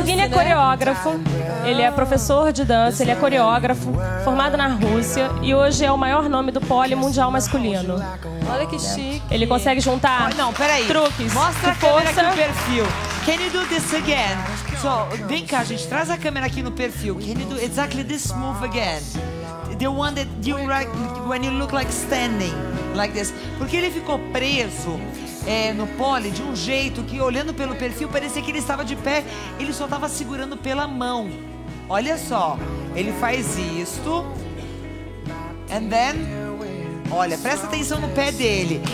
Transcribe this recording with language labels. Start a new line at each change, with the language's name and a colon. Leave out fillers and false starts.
Portuguese: Evgeny é coreógrafo, ele é professor de dança, ele é coreógrafo, formado na Rússia, e hoje é o maior nome do pole mundial masculino. Olha que chique. Ele consegue juntar truques. Mostra a câmera aqui no perfil.
English: Can you do this again?
Portuguese: So, vem cá, gente, traz a câmera aqui no perfil.
English: Can you do exactly this move again? The one that you like, when you look like standing, like this.
Portuguese: Porque ele ficou preso no pole de um jeito que, olhando pelo perfil, parecia que ele estava de pé, ele só estava segurando pela mão. Olha só, ele faz isto.
English: And then,
Portuguese: olha, presta atenção no pé dele.